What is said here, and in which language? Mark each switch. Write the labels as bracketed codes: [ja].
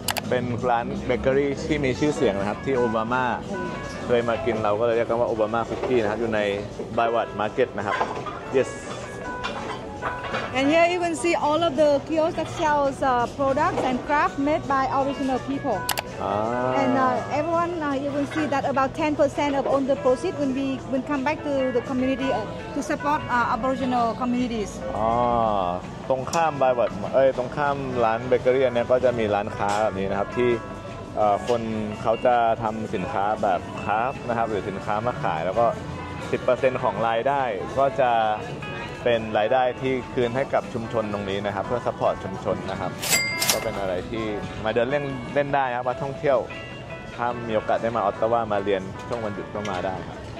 [th] เป็นร้านเบเกอรี่ที่มีชื่อเสียงนะครับที่โอบามาเคยมากินเราก็เลยเรียกว่าโอบามาคุกกี้นะครับอยู่ในบายวัดมาร์เก็ตนะครับ [en] yes and here you can see all of the kiosks that sells products and craft made by original people and everyone you can see that about 10% of all the proceeds will come back to the community to support aboriginal communities [th] ตรงข้ามบายวัดตรงข้ามร้านเบเกอรี่เนี่ยก็จะมีร้านค้าแบบนี้นะครับที่ คนเขาจะทำสินค้าแบบคราฟนะครับหรือสินค้ามาขายแล้วก็ 10% ของรายได้ก็จะเป็นรายได้ที่คืนให้กับชุมชนตรงนี้นะครับเพื่อซัพพอร์ตชุมชนนะครับก็เป็นอะไรที่มาเดินเล่นเล่นได้ครับมาท่องเที่ยวถ้ามีโอกาสได้มาออตตาวามาเรียนช่วงวันหยุดก็มาได้ครับ